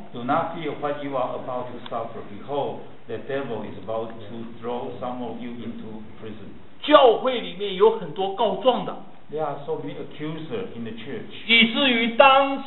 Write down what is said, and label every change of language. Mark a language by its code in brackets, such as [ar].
[en] Do not fear what you are about to suffer. Behold, the devil is about to throw some of you into prison. [zh] 教会里面有很多告状的。 [en] They are so many accusers in the church.